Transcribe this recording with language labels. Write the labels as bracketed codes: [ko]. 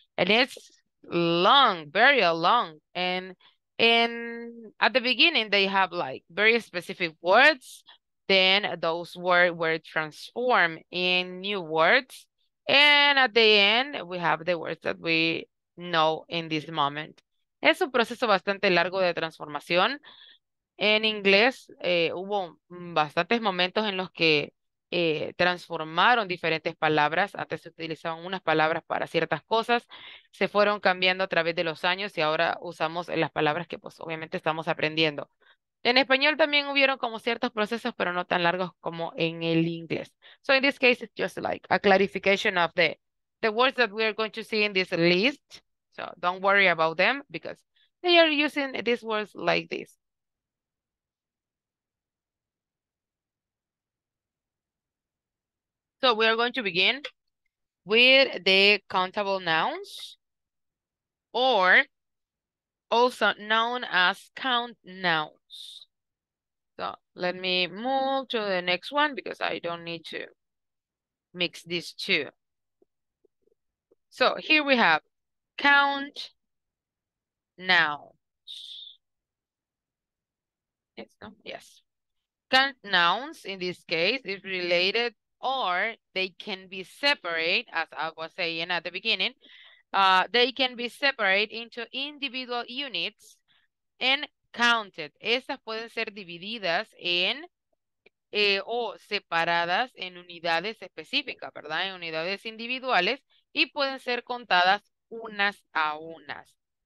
[en] And it's long, very long. And in at the beginning, they have like very specific words. Then those words were transformed in new words. And at the end, we have the words that we know in this moment. [es] Es un proceso bastante largo de transformación. En inglés hubo bastantes momentos en los que transformaron diferentes palabras. Antes se utilizaban unas palabras para ciertas cosas. Se fueron cambiando a través de los años y ahora usamos las palabras que pues obviamente estamos aprendiendo. En español también hubieron como ciertos procesos, pero no tan largos como en el inglés. [en] So in this case, it's just like a clarification of the words that we are going to see in this list. So don't worry about them because they are using these words like this. So we are going to begin with the countable nouns or also known as count nouns. So let me move to the next one because I don't need to mix these two. So here we have count nouns. Yes, no? Yes. Count nouns in this case is related, or they can be separate, as I was saying at the beginning. They can be separate into individual units and counted. [es] Esas pueden ser divididas en o separadas en unidades específicas, ¿verdad? En unidades individuales y pueden ser contadas unas a unas.